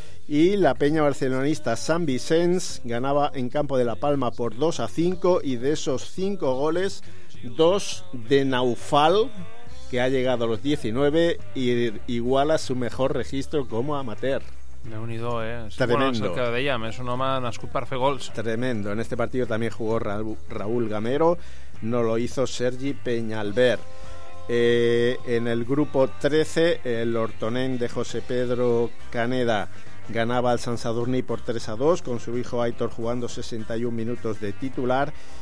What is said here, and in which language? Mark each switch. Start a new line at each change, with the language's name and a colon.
Spanish: Y la Peña Barcelonista San Vicens ganaba en campo de La Palma por 2-5. Y de esos 5 goles, 2 de Naufal, que ha llegado a los 19 y iguala su mejor registro como amateur.
Catalan: Déu-n'hi-do, eh? Sí, tremendo. Bueno, és el que dèiem, és un home nascut per fer gols.
Spanish: Tremendo. En este partido también jugó Raúl Gamero, no lo hizo Sergi Peñalver. En el grupo 13, el Ortonen de José Pedro Caneda ganaba al San Sadurní por 3-2, con su hijo Aitor jugando 61 minutos de titular.